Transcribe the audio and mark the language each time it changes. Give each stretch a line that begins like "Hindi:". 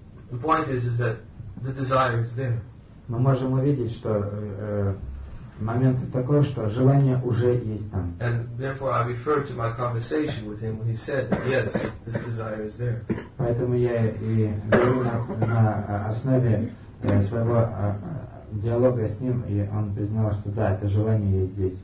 English: The point is that the desire is there.
Russian: Мы можем увидеть, что момент такой, что желание уже есть там.
English: And therefore I refer to my conversation with him when he said, yes, this desire is there.
Russian: Поэтому я и говорю на основе своего диалога с ним, и он признал, что да, это желание есть здесь.